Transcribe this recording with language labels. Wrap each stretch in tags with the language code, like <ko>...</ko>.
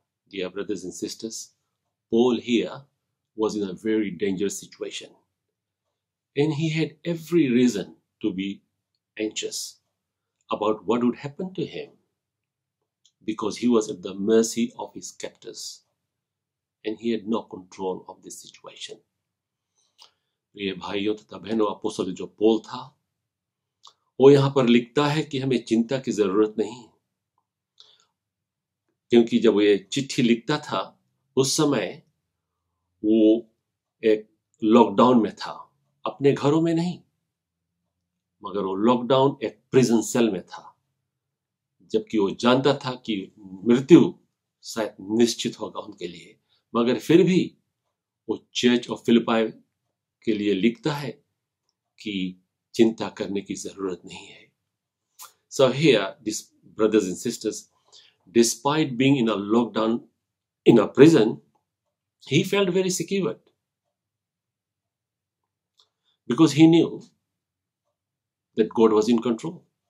<en>Dear brothers and sisters, Paul here was in a very dangerous situation, and he had every reason to be anxious about what would happen to him, because he was at the mercy of his captors and he had no control of this situation.</en> <hi>ये भाइयों तथा बहनों, अपोस्तल जो Paul था वो यहां पर लिखता है कि हमें चिंता की जरूरत नहीं, क्योंकि जब वो ये चिट्ठी लिखता था उस समय वो एक लॉकडाउन में था, अपने घरों में नहीं, मगर वो लॉकडाउन एक प्रिजन सेल में था, जबकि वो जानता था कि मृत्यु शायद निश्चित होगा उनके लिए, मगर फिर भी वो चर्च ऑफ फिलिपाई के लिए लिखता है कि चिंता करने की जरूरत नहीं है.</hi> <en>So here, these brothers and sisters, despite being in a lockdown, in a prison, he felt very secured, because he knew that God was in control.</en>